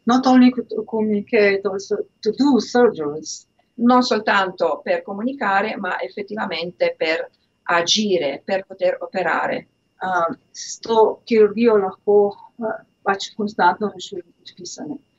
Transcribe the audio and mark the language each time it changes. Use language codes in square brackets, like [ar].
[en] Not only to communicate, also to do surgeries. [it] Non soltanto per comunicare, ma effettivamente per agire, per poter operare. [sl] Sto chirurgia lahko pač konstantno rešujem.